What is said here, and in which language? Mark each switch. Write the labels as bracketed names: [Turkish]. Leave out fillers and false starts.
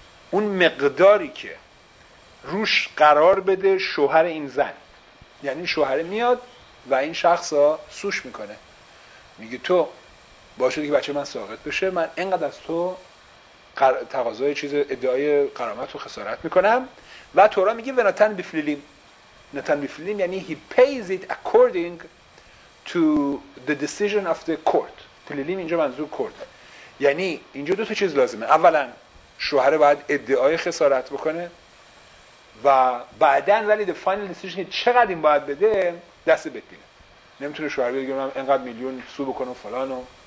[Persian] اون مقداری که روش قرار بده شوهر این زن، یعنی شوهر میاد و این شخص ها سوش میکنه، میگه تو باشده که بچه من ساقط بشه من اینقدر از تو تقاضای چیز ادعای قرامت و خسارت میکنم و تورا میگه [Hebrew] ونتن بفلیلیم. نتن بفلیلیم [Persian] یعنی [English] he pays it according to the decision of the court. [Persian] فلیلیم اینجا منظور کورت. یعنی اینجا دو تا چیز لازمه. اولا شوهر باید ادعای خسارت بکنه و بعدن ولی [English] the final decision [Persian] چقدر این باید بده دست به دینه. نمیتونه شوهر بگه من اینقدر میلیون سو بکنه فلانو.